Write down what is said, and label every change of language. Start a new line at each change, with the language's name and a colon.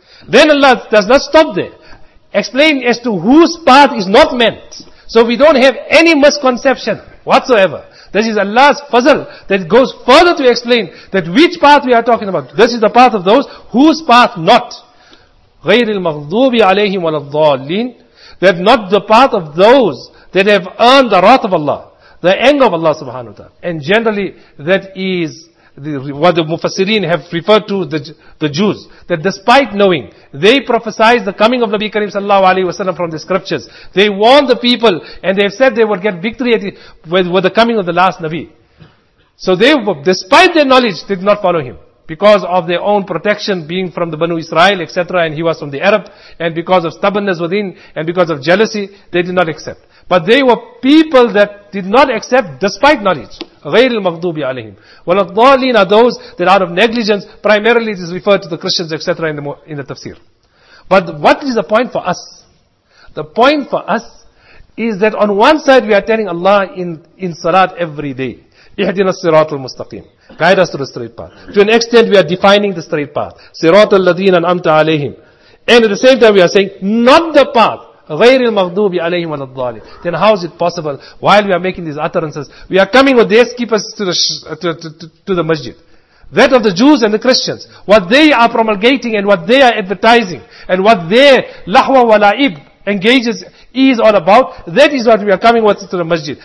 English: Then Allah does not stop there. Explain as to whose path is not meant. So we don't have any misconception whatsoever. This is Allah's fazl that goes further to explain that which path we are talking about. This is the path of those whose path not.
Arabic: غير المغضوب عليهم ولا الضالين.
English: That not the path of those that have earned the wrath of Allah, the anger of Allah subhanahu wa ta'ala. And generally that is what the Mufassirin have referred to the Jews, that despite knowing, they prophesied the coming of Nabi Karim sallallahu alaihi wasallam from the scriptures. They warned the people and they have said they would get victory with the coming of the last Nabi. So they, despite their knowledge, did not follow him. Because of their own protection, being from the Banu Israel, etc., and he was from the Arab, and because of stubbornness within, and because of jealousy, they did not accept. But they were people that did not accept despite knowledge.
Arabic: غَيْرِ الْمَغْضُوبِ عَلَيْهِمْ وَالْضَالِينَ
English: are those that out of negligence, primarily it is referred to the Christians, etc., in the tafsir. But what is the point for us? The point for us is that on one side we are telling Allah in salat every day,
Arabic: اِحْدِنَا الصِّرَاطُ الْمُسْتَقِيمُ.
English: Guide us to the straight path. To an extent, we are defining the straight path.
Arabic: Sirat al-ladin an'amta alayhim.
English: And at the same time, we are saying, not the path.
Arabic: غير المغضوب عليهم ولا الضالين.
English: Then how is it possible, while we are making these utterances, we are coming with their keepers to the masjid. That of the Jews and the Christians. What they are promulgating and what they are advertising and what their
Arabic: lahwa wa la'ib
English: engages is all about, that is what we are coming with to the masjid.